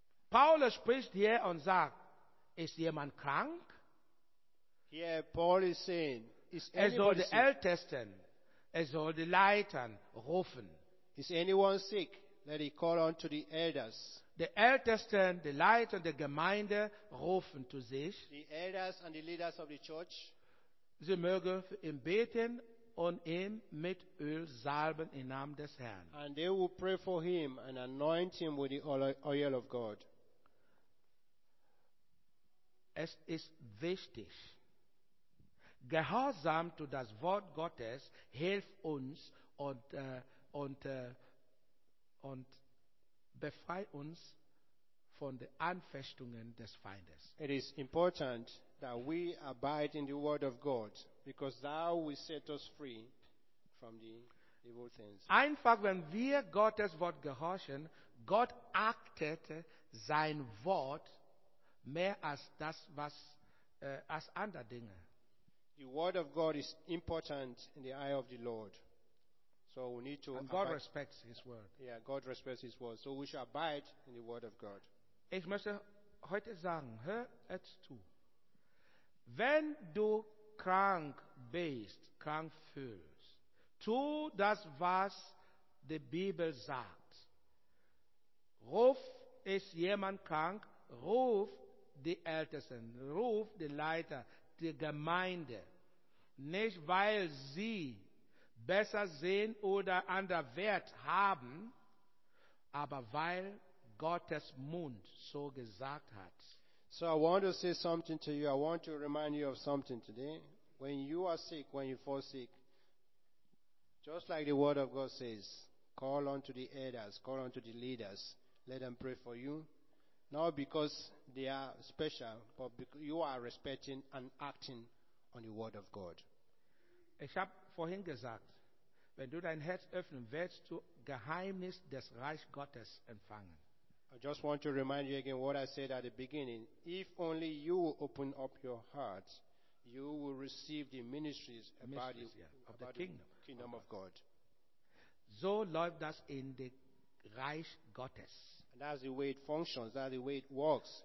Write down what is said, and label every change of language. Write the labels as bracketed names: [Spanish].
[German] Paulus spricht hier und sagt, ist jemand krank? [English] Here Paul is saying, is [German] er soll die [English] sick? [German] Ältesten, er soll die Leitern rufen. [English] Is anyone sick? Let he call on to the elders. [German] Die Ältesten, die Leiter der Gemeinde rufen zu sich. [English] The elders and the leaders of the church. [German] Sie mögen für ihn beten und ihm mit Öl salben im Namen des Herrn. [English] And they will pray for him and anoint him with the oil of God. [German] Es ist wichtig. Gehorsam zu das Wort Gottes hilft uns und befreit uns von den Anfechtungen des Feindes. [English] It is important that we abide in the word of God, because thou will set us free from the evil things. Einfach wenn wir Gottes Wort gehorchen, Gott achtet sein Wort mehr als das, was als andere Dinge. The word of God is important in the eye of the Lord. So we need to And God abide. Respects his word. Yeah, God respects his word. So we should abide in the word of God. [German] Ich möchte heute sagen, hör es zu. Wenn du krank bist, krank fühlst, tu das, was die Bibel sagt. Ruf, ist jemand krank, ruf die Ältesten, ruf die Leiter, die Gemeinde. Nicht, weil sie besser sehen oder anderen Wert haben, aber weil Gottes Mund so gesagt hat. [English] So I want to say something to you. I want to remind you of something today. When you are sick, when you fall sick, just like the word of God says, call unto the elders, call unto the leaders, let them pray for you. Not because they are special, but because you are respecting and acting on the word of God. [German] Ich habe vorhin gesagt, wenn du dein Herz öffnen willst, du Geheimnis des Reich Gottes empfangen. [English] I just want to remind you again what I said at the beginning. If only you will open up your heart, you will receive the ministries about the kingdom of God. So [German] läuft das [English] in the [German] Reich Gottes. [English] And that's the way it functions, that's the way it works